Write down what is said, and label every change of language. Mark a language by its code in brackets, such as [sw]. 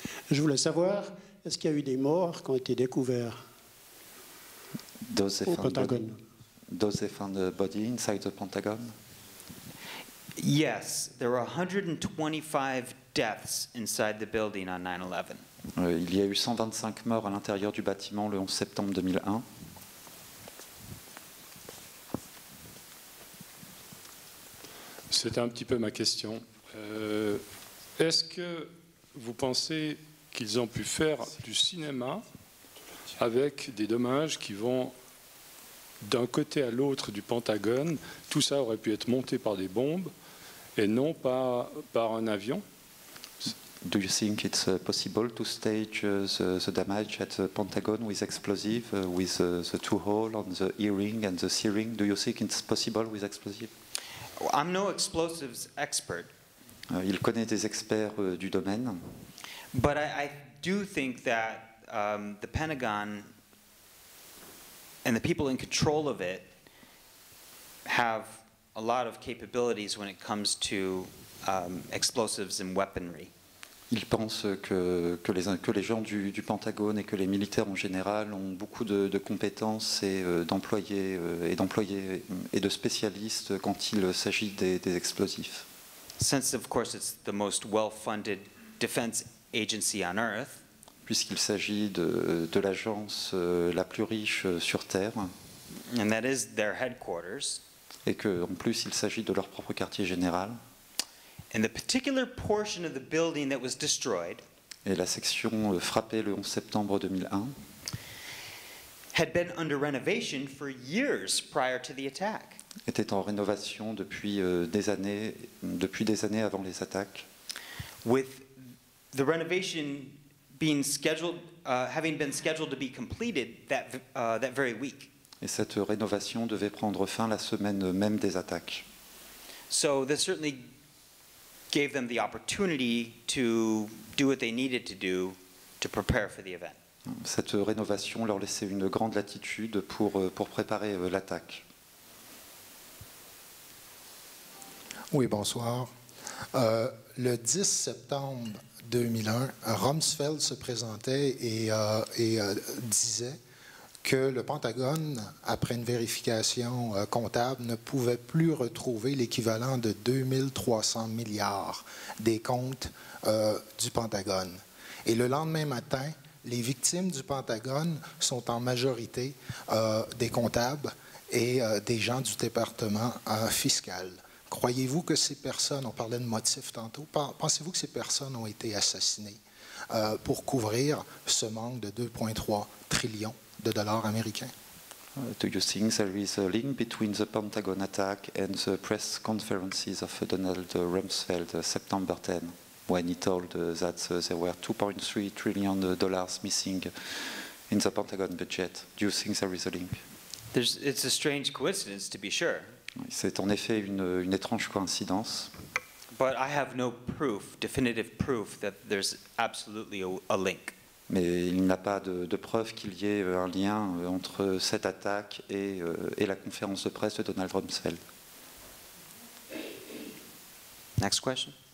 [fr] Je voulais savoir, est-ce qu'il y a eu des morts qui ont été découverts au Pentagon? [en] Those they found the body inside the Pentagon? Yes, there were 125 deaths inside the building on 9/11. [fr] Il y a eu 125 morts à l'intérieur du bâtiment le 11 septembre 2001. C'était un petit peu ma question. Est-ce que vous pensez qu'ils ont pu faire du cinéma avec des dommages qui vont d'un côté à l'autre du Pentagone? Tout ça aurait pu être monté par des bombes et non pas par un avion. [en] Do you think it's possible to stage the damage at the Pentagon with explosive, with the two holes on the earring and the searing? Do you think it's possible with explosive? I'm no explosives expert. [fr] Il connaît des experts du domaine. [en] But I do think that the Pentagon and the people in control of it have a lot of capabilities when it comes to explosives and weaponry. [fr] Il pense que les gens du Pentagone et que les militaires en général ont beaucoup de compétences et d'employés et de spécialistes quand il s'agit des explosifs. [en] Since of course it's the most well-funded defense agency on Earth. [fr] Puisqu'il s'agit de l'agence la plus riche sur Terre. [en] And that is their headquarters. [fr] Et que en plus il s'agit de leur propre quartier général. [en] And the particular portion of the building that was destroyed. [fr] Et la section frappée le 11 septembre 2001. [en] Had been under renovation for years prior to the attack. [fr] Était en rénovation depuis des années avant les attaques. [en] With the renovation being scheduled, having been scheduled to be completed that very week. [fr] Et cette rénovation devait prendre fin la semaine même des attaques. [en] So this certainly gave them the opportunity to do what they needed to do to prepare for the event. [fr] Cette rénovation leur laissait une grande latitude pour préparer l'attaque. Oui, bonsoir. Le 10 septembre 2001, Rumsfeld se présentait disait que le Pentagone, après une vérification comptable, ne pouvait plus retrouver l'équivalent de 2300 milliards des comptes du Pentagone. Et le lendemain matin, les victimes du Pentagone sont en majorité des comptables et des gens du département fiscal. Croyez-vous que ces personnes, on parlait de motifs tantôt, pensez-vous que ces personnes ont été assassinées pour couvrir ce manque de 2,3 trillions de dollars américains? [en] Do you think there is a link between the Pentagon attack and the press conferences of Donald Rumsfeld September 10, when he told that there were $2.3 trillion missing in the Pentagon budget? Do you think there is a link? It's a strange coincidence, to be sure. [fr] C'est en effet une étrange coïncidence. [en] But I have no proof, definitive proof, that there's absolutely a link. [fr] Mais il n'a pas de preuve qu'il y ait un lien entre cette attaque et la conférence de presse de Donald Rumsfeld. [en] Next question.